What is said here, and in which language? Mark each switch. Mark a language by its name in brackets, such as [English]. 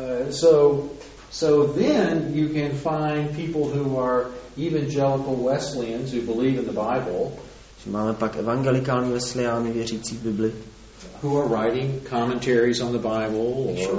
[English] So then you can find people who are evangelical Wesleyans who believe in the Bible. [Czech] Že máme pak evangelikální Wesleyány věřící v Bibli. [English] Who are writing commentaries on the Bible or